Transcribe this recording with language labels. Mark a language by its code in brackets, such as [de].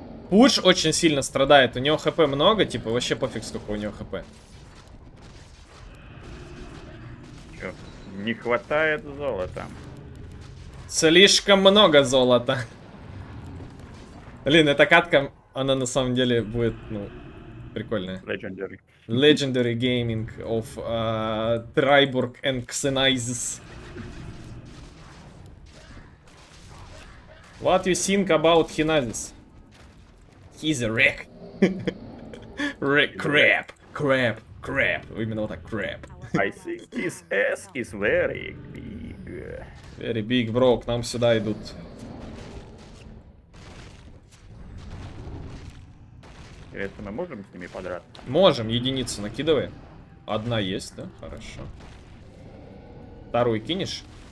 [ru] Пуш очень сильно страдает. У него хп много, типа вообще пофиг, сколько у него хп. Не хватает золота. Слишком много золота. Блин, эта катка, она на самом деле будет, ну, прикольная. [en] Legendary. Legendary Gaming of Triborg and Xenizes. What you think about Xenizes? He's a wreck. Wreck, crap, crap, crap. [ru] Именно вот так, crap. [en] I think his ass is very big. Very big, bro, [ru] к нам сюда идут. Это мы можем с ними подраться? Можем, единицу накидывай. Одна есть, да? Хорошо. Второй кинешь?